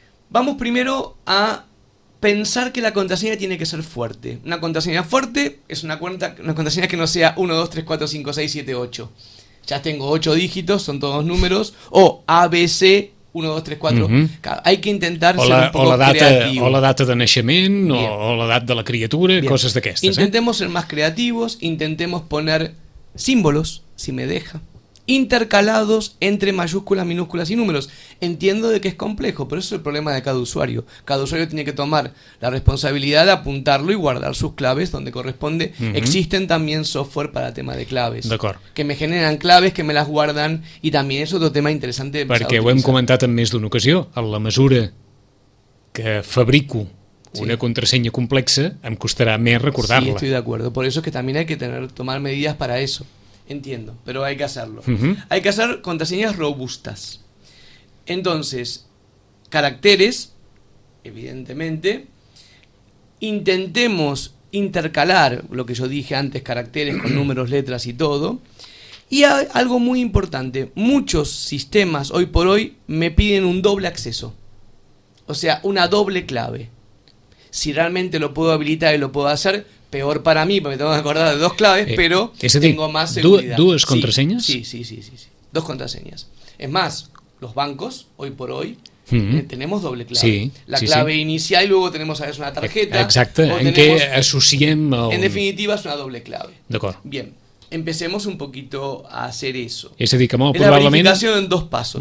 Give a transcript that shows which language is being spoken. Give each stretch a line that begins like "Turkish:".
Spanish: Vamos primero a pensar que la contraseña tiene que ser fuerte. Una contraseña fuerte es una contraseña que no sea 1, 2, 3, 4, 5, 6, 7, 8. Ya tengo 8 dígitos, son todos números. O ABC... 1, 2, 3, 4. Claro, hay que intentar ser un poco creativo.
Catalan: O la data de naixement, o la data de la criatura, coses d'aquestes.
Spanish: Intentemos ser más creativos, intentemos poner símbolos, si me deja, intercalados entre mayúsculas, minúsculas y números. Entiendo de que es complejo, pero eso es el problema de cada usuario. Cada usuario tiene que tomar la responsabilidad de apuntarlo y guardar sus claves donde corresponde. Existen también software para tema de claves.
Catalan: D'acord.
Spanish: Que me generan claves, que me las guardan, y también es otro tema interesante.
Catalan: Perquè ho hem comentat en més d'una ocasió. A la mesura que fabrico una contrasenya complexa, em costarà més recordar-la.
Spanish: Sí, estoy de acuerdo. Por eso es que también hay que tomar medidas para eso. Entiendo, pero hay que hacerlo. Hay que hacer contraseñas robustas. Entonces, caracteres, evidentemente, intentemos intercalar lo que yo dije antes, caracteres con números, letras y todo. Y hay algo muy importante, muchos sistemas hoy por hoy me piden un doble acceso, o sea, una doble clave. Si realmente lo puedo habilitar y lo puedo hacer, peor para mí, porque tengo que acordar de dos claves, pero tengo más seguridad. ¿Dos contraseñas? Sí. Dos contraseñas. Es más, los bancos, hoy por hoy, tenemos doble clave. Sí, la clave inicial y luego tenemos a veces una tarjeta.
Catalan: Exacto, en que asociem...
Spanish: En definitiva, es una doble clave.
Catalan: D'acord.
Spanish: Bien. Empecemos un poquito a hacer eso.
Catalan: És a dir, que molt probablement... La verificació en dos passos.